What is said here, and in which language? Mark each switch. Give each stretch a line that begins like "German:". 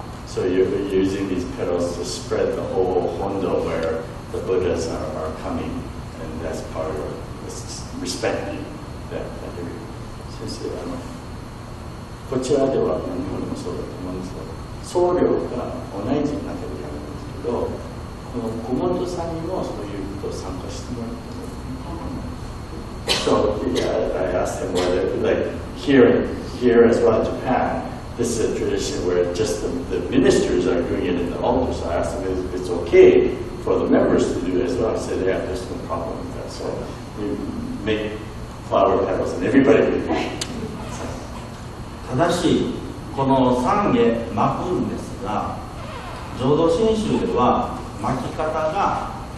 English: So you're using these petals to spread the whole hondo where the Buddhas are coming, and that's part of respecting that sense of honor.
Japanese: こちらでは日本でもそうだと思うんですが、僧侶が同じになってるんですけど、この小本さんにもそういうことを参加してもらってもいいですか。
English: So yeah, I asked him whether, like, here as well in Japan, this is a tradition where just the ministers are doing it in the altar. So I asked him if it's okay for the members to do it as well. I said, yeah, there's no problem with that. So you make flower petals and everybody can do it.
Japanese: ただしこの三下巻くんですが、浄土真宗では巻き方が